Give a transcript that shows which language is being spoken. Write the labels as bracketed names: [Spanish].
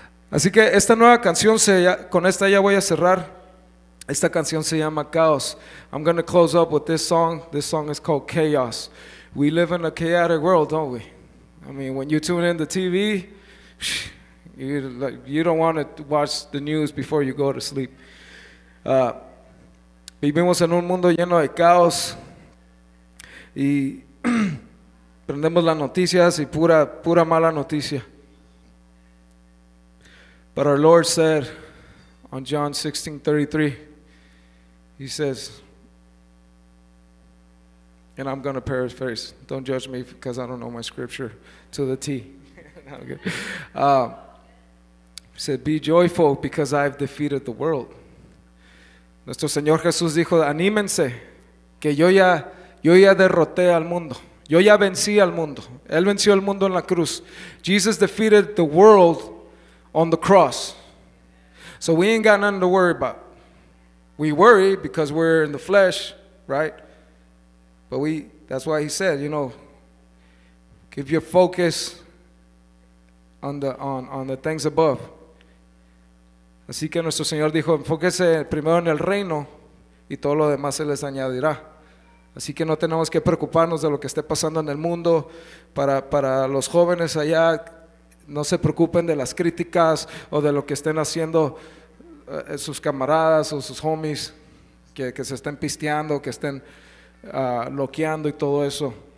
[Spanish] Así que esta nueva canción, con esta ya voy a cerrar. Esta canción se llama Chaos. [English] I'm going to close up with this song. This song is called Chaos. We live in a chaotic world, don't we? I mean, when you tune in the TV, you don't want to watch the news before you go to sleep. [Spanish] Vivimos en un mundo lleno de caos. Y prendemos las noticias y pura mala noticia. [English] But our Lord said on John 16:33, He says, and I'm going to paraphrase, don't judge me because I don't know my scripture to the T. He said, be joyful because I've defeated the world. [Spanish] Nuestro Señor Jesús dijo, anímense, que yo ya derroté al mundo. Yo ya vencí al mundo. Él venció al mundo en la cruz. [English] Jesus defeated the world on the cross. So we ain't got nothing to worry about. We worry because we're in the flesh, right? But that's why he said, you know, keep your focus on the things above. [Spanish] Así que nuestro Señor dijo, enfóquese primero en el reino y todo lo demás se les añadirá. Así que no tenemos que preocuparnos de lo que esté pasando en el mundo. Para los jóvenes allá, no se preocupen de las críticas o de lo que estén haciendo sus camaradas o sus homies, que se estén pisteando, que estén loqueando y todo eso.